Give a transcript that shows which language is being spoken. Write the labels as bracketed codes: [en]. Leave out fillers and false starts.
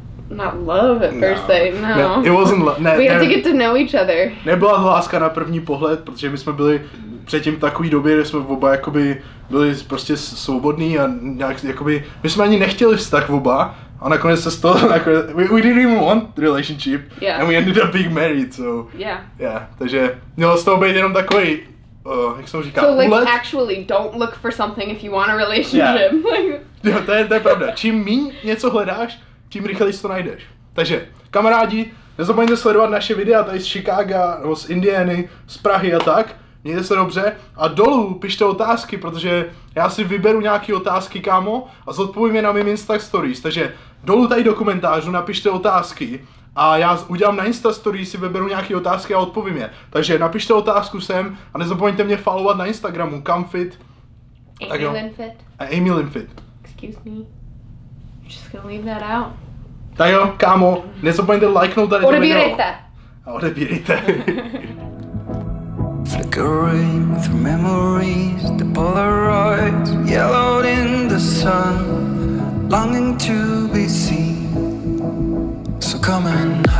[en] Not love at first sight, no. It wasn't love, We had to get to know each other. [cs] Nebyla láska na první pohled, protože my jsme byli předtím v takový době, kde jsme oba jakoby byli prostě svobodní a nějak jakoby... My jsme ani nechtěli vztah oba a nakonec se z toho nakonec... [en] We didn't even want relationship and we ended up being married, so... Yeah. [cs] Yeah, takže mělo z toho být jenom takový... jak jsem říkal, [en] so like let... actually don't look for something if you want a relationship. [cs] Yeah. Jo, to je pravda. Čím míň něco hledáš, tím rychleji si to najdeš. Takže, kamarádi, nezapomeňte sledovat naše videa tady z Chicaga, nebo z Indiany, z Prahy a tak. Mějte se dobře a dolů pište otázky, protože já si vyberu nějaký otázky, kámo, a zodpovím je na mým Insta Stories. Takže dolů tady do komentářů napište otázky. A já udělám na Instastory, si vyberu nějaké otázky a odpovím je. Takže napište otázku sem a nezapomeňte mě followovat na Instagramu, kamfit. AmyLinfit. AmyLinfit. [en] Excuse me. I'm just gonna leave that out. [cs] Tak jo, kámo, nezapomeňte lajknout tady odebírejte. Do video. A odebírejte. [en] Flickering through memories, the polaroids yellowed in the sun, longing to be seen. So come and